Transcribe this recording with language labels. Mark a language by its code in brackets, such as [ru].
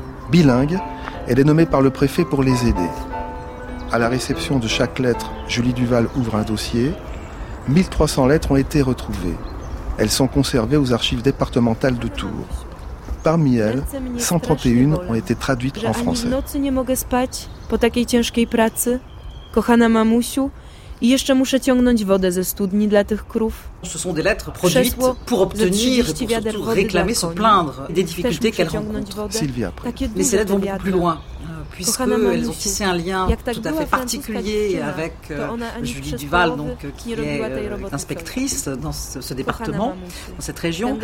[fr] Bilingue, elle est nommée par le préfet pour les aider. À la réception de chaque lettre, Julie Duval ouvre un dossier. 1300 lettres ont été retrouvées. Elles sont conservées aux archives départementales de Tours. Parmi elles, 131 ont été traduites en français. Je ne peux pas [pl] spać po takiej ciężkiej pracy, kochana mamusiu. I jeszcze muszę ciągnąć wodę ze studni dla tych krów. [fr] Ce sont des lettres produites pour obtenir et pour surtout réclamer, se plaindre des difficultés qu'elles rencontrent. Sylvia, mais ces lettres vont beaucoup plus loin, puisqu'elles ont tissé un lien tout à fait particulier avec Julie Duval, donc, qui est inspectrice dans ce département, dans cette région.